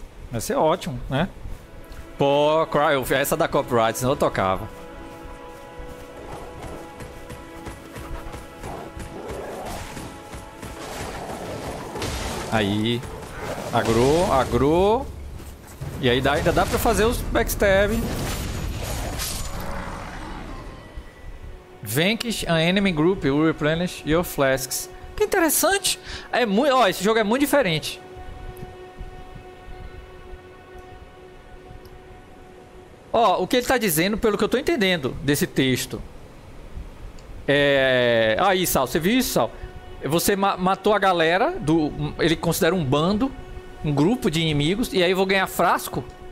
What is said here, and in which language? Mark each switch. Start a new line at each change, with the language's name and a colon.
Portuguese: Vai ser ótimo, né? Pô, essa da copyright, senão eu tocava. Aí, agro, e aí ainda dá pra fazer os backstab.
English: Vanquish an enemy group, you replenish your flasks.
Portuguese: Que interessante, é muito, ó, esse jogo é muito diferente. Ó, o que ele tá dizendo, pelo que eu tô entendendo desse texto. É, aí Sal, você viu isso, Sal? Você matou a galera do. Ele considera um bando, um grupo de inimigos, e aí eu vou ganhar frasco?